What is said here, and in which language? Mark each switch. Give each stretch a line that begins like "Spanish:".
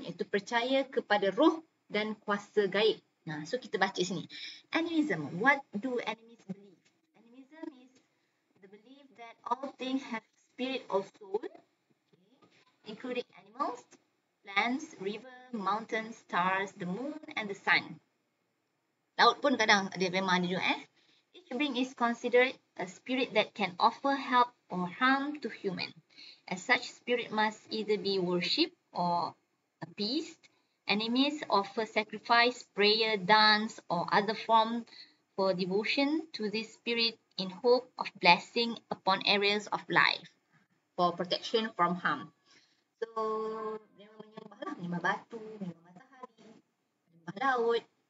Malay: Iaitu percaya kepada roh dan kuasa gaib. Nah, so kita baca sini. Animism.
English: What do animists believe? Animism is the belief that all things have spirit or soul. Including animals, plants, river, mountains, stars, the moon and the sun.
Malay: Laut pun kadang dia memang ada juga eh.
English: Each being is considered a spirit that can offer help or harm to human. As such, spirit must either be worshipped or appeased. Animists offer sacrifice, prayer, dance or other form for devotion to this spirit in hope of blessing upon areas of life for protection from harm.
Malay: So, dia menyembah lah. Menyembah batu, menyembah matahari, menyembah laut.